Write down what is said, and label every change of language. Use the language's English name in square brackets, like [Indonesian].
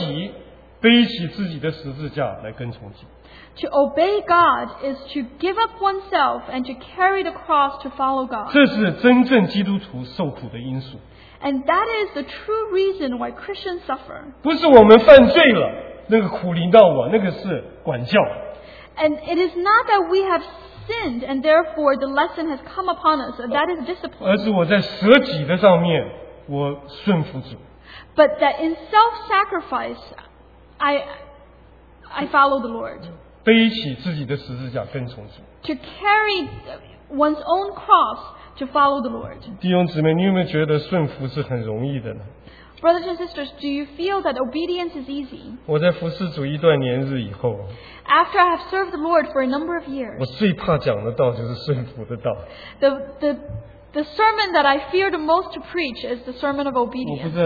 [Chinese] 顺服神就是舍己背起自己的十字架来跟从主。 [English] To obey God is to give up oneself and to carry the cross to follow God. [Chinese] 这是真正基督徒受苦的因素。 [English] And that is the true reason why Christians suffer. [Chinese] 不是我们犯罪了，那个苦临到我，那个是管教。 [English] And it is not that we have sinned and therefore the lesson has come upon us. That is discipline. [Chinese] 而是我在舍己的上面，我顺服主。 [English] But that in self-sacrifice, I follow the Lord. [Chinese] 背起自己的十字架跟从主。 [English] To carry one's own cross to follow the Lord. [Chinese] 弟兄姊妹, 你有没有觉得顺服是很容易的呢? [English] Brothers and sisters, do you feel that obedience is easy? [Chinese] 我在服侍主一段年日以后, [English] after I have served the Lord for a number of years, [Chinese] 我最怕讲的道就是顺服的道。 [English] The The sermon that I feared most to preach is the sermon of obedience.